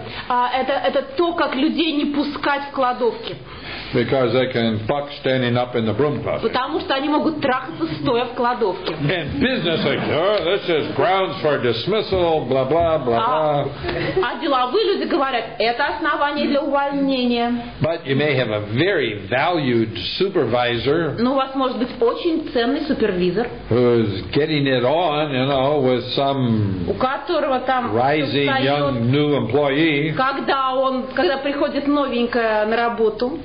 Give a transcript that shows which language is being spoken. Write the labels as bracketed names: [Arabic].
[Russian] Это то, как людей не пускать в кладовки. [English] Because they can fuck standing up in the broom closet. [Russian] Потому что они могут трахаться стоя в кладовке. [English] And business like, oh, this is grounds for dismissal, blah blah blah. [Russian] А деловые люди говорят, это основание для увольнения. [English] But you may have a very valued supervisor. [Russian] Но у вас может быть очень ценный супервизор. [English] Who's getting it on, you know, with some rising young new employee. [Russian] Когда приходит новенькая на работу.